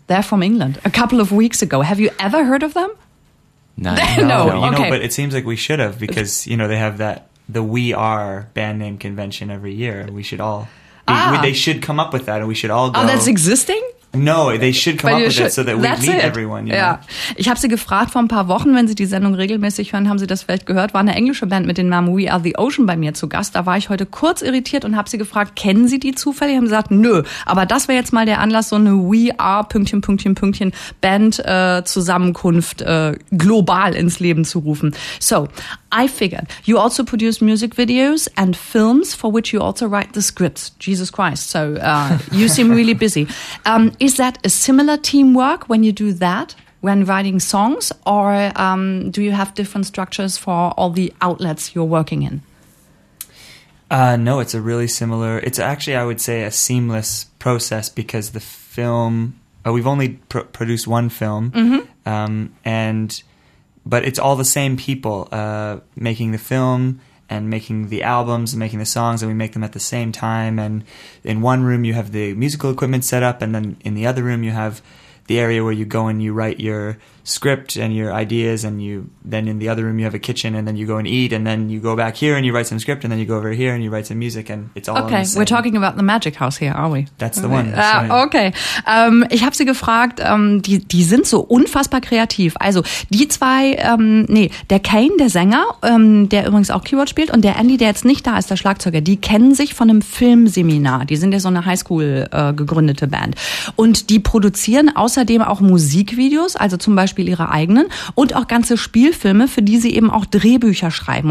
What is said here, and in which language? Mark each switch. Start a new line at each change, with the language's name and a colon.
English: They're from England, a couple of weeks ago. Have you ever heard of them? No. You know, but it seems like we should have, because, you know, they have the We Are band name convention every year. We should all, they should come up with that, and we should all go. Oh, that's existing? No, they should come up with it, so that we meet everyone. Yeah.
German: Ich habe sie gefragt vor ein paar Wochen, wenn sie die Sendung regelmäßig hören, haben sie das vielleicht gehört, war eine englische Band mit dem Namen We Are The Ocean bei mir zu Gast. Da war ich heute kurz irritiert und habe sie gefragt, kennen sie die zufällig? Haben sie gesagt, nö, aber das wäre jetzt mal der Anlass, so eine We Are Band-Zusammenkunft global ins Leben zu rufen.
English: So, I figured, you also produce music videos and films for which you also write the scripts. Jesus Christ, so you seem really busy. Is that a similar teamwork when you do that, when writing songs, or do you have different structures for all the outlets you're working in? No, it's a really similar, it's actually, I would say, a seamless process, because the film, we've only produced one film, mm-hmm. But it's all the same people making the film and making the albums and making the songs, and we make them at the same time. And in one room you have the musical equipment set up, and then in the other room you have the area where you go and you write your script and your ideas, and you then in the other room you have a kitchen, and then you go and eat, and then you go back here and you write some script, and then you go over here and you write some music, and it's all okay. We're talking about the magic house here, are we? That's the one. Okay.
German: Ich habe sie gefragt, die sind so unfassbar kreativ. Also die zwei, der Kane, der Sänger, der übrigens auch Keyboard spielt, und der Andy, der jetzt nicht da ist, der Schlagzeuger, die kennen sich von einem Filmseminar. Die sind ja so eine Highschool gegründete Band, und die produzieren außerdem auch Musikvideos, also zum Beispiel ihre eigenen, und auch ganze Spielfilme, für die sie eben auch Drehbücher schreiben.